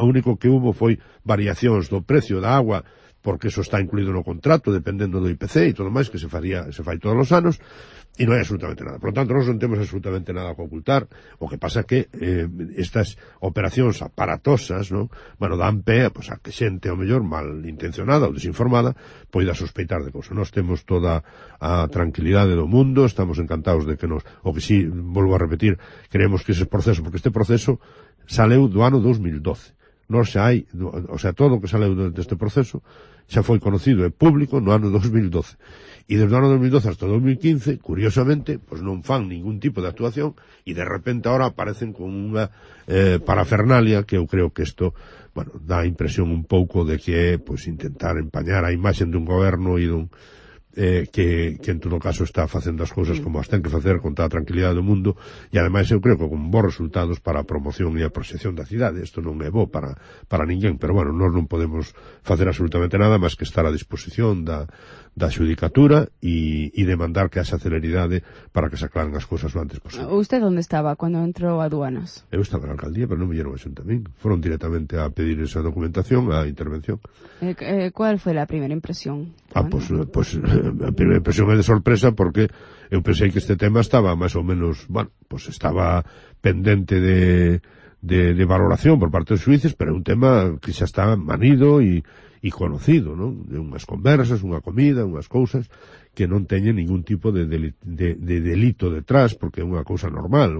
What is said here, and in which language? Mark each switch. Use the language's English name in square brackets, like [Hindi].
[Galician] O único que hubo foi variacións do precio da agua, porque eso está incluído no contrato, dependendo do IPC e todo máis, que se fai todos os anos, e non hai absolutamente nada. Por lo tanto, nós non temos absolutamente nada que ocultar. O que pasa é que estas operacións aparatosas, non? Bueno, dan pé pues, a que xente, ao mellor, mal intencionada ou desinformada, poida sospeitar de cousa. Nós temos toda a tranquilidade do mundo, estamos encantados de que nos... O que sí, volvo a repetir, creemos que ese proceso, porque este proceso saleu do ano 2012. Non xa hai, o sea, todo o que saleu deste proceso xa foi conocido e público no ano 2012. E desde o ano 2012 hasta 2015, curiosamente, pois non fan ningún tipo de actuación e de repente ahora aparecen con unha parafernalia que eu creo que isto, bueno, dá a impresión un pouco de que é, pois, intentar empañar a imaxe dun goberno e dun que en todo caso está facendo as cousas como as ten que facer con toda a tranquilidade do mundo e ademais eu creo que con bons resultados para a promoción e a proxección da cidade. Isto non é bo para ninguén, pero bueno, nós non podemos facer absolutamente nada máis que estar a disposición da xudicatura e demandar que haxa celeridade para que se aclaren as cousas o antes posible. [Spanish] ¿Usted dónde estaba cuando entró a aduanas? [Galician] Eu estaba na alcaldía, pero non me vieron a xuntamento. Foron directamente a pedir esa documentación, a intervención. [Spanish] ¿Cuál fue la primera impresión? [Galician] Ah, pues a primeira impresión é de sorpresa porque eu pensei que este tema estaba máis ou menos, bueno, pues estaba pendente de valoración por parte dos xuíces, pero é un tema que xa está manido e conocido, non? De unhas conversas, unha comida, unhas cousas que non teñen ningún tipo de delito detrás, porque é unha cousa normal.